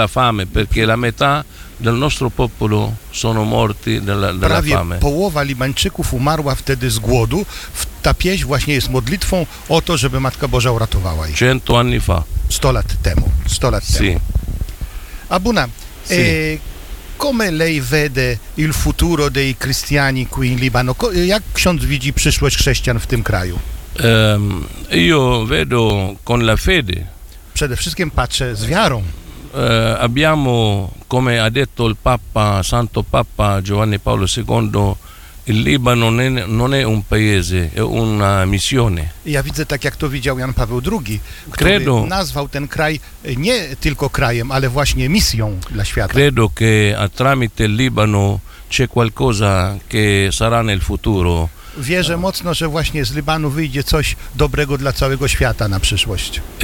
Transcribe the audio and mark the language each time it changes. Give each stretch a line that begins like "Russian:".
Italian: la fame, perché la metà del nostro popolo sono morti della
Polish: prawie
Italian: fame.
Polish: Połowa Libańczyków umarła wtedy z głodu. Ta pieśń właśnie jest modlitwą o to, żeby Matka Boża uratowała ich.
Italian: 100 anni fa.
Polish: 100 lat temu. 100 lat
Italian: sì.
Polish: temu. Abuna, sì.
Italian: Come lei vede il futuro dei cristiani qui in Libano?
Polish: Jak ksiądz widzi przyszłość chrześcijan w tym kraju?
Italian: Io vedo con la fede.
Polish: Przede wszystkim patrzę z wiarą.
Italian: Abbiamo, come ha detto il Papa, Santo Papa Giovanni Paolo II, il Libano non è un paese, è una missione.
Polish: Ja widzę tak, jak to widział Jan Paweł II, który credo, nazwał ten kraj nie tylko krajem, ale właśnie misją dla świata.
Italian: Credo che tramite il Libano c'è qualcosa che sarà nel futuro.
Polish: Wierzę mocno, że właśnie z Libanu wyjdzie coś dobrego dla całego świata na przyszłość.